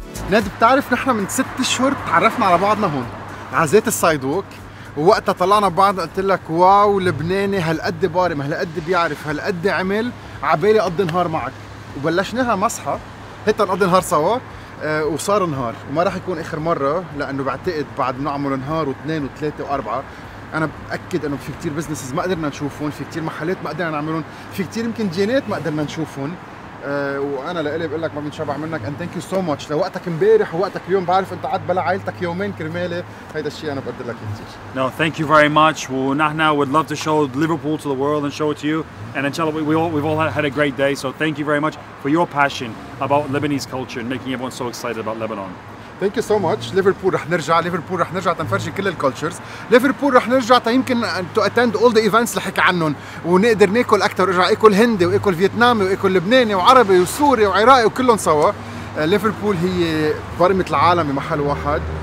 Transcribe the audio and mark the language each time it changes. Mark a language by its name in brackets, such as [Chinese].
[Arabic] ناد بتعرف نحن من 6 شهور تعرفنا على بعضنا هون عزيت السايد ووك، ووقتها طلعنا بعض قلت لك واو لبناني هالقد بارم هالقد بيعرف هالقد عمل عبالي قضي نهار معك، وبلشناها مصحة حتى نقضي نهار سوا وصار نهار، وما راح يكون اخر مرة لانه بعتقد بعد نعمل نهار واثنين وثلاثة واربعة انا بأكد انه في كتير بزنسز ما قدرنا نشوفهم، في كتير محلات ما قدرنا نعملهم، في كتير يمكن جينات ما قدرنا نشوفهم. وانا لقلي بقول لك ما بنشبع منك [English] and thank you so much [Arabic] لوقتك امبارح ووقتك اليوم، بعرف انت قعدت بلا عائلتك يومين كرمالي هيدا الشيء انا بقدر لك كثير. [English] No thank you very much [Arabic] ونحن [English] would love to show Liverpool to the world and show it to you and inshallah we've all had a great day so thank you very much for your passion about Lebanese culture and making everyone so excited about Lebanon. Thank you so much. [Arabic] Liverpool رح نرجع، Liverpool رح نرجع تنفرج كل الكولتشرز، Liverpool رح نرجع يمكن [English] to attend all the events [Arabic] اللي حكي عنهم ونقدر ناكل اكثر ورجع اكل هندي واكل فيتنامي واكل لبناني وعربي وسوري وعراقي وكلهم سوا. Liverpool هي بارمة العالم بمحل واحد.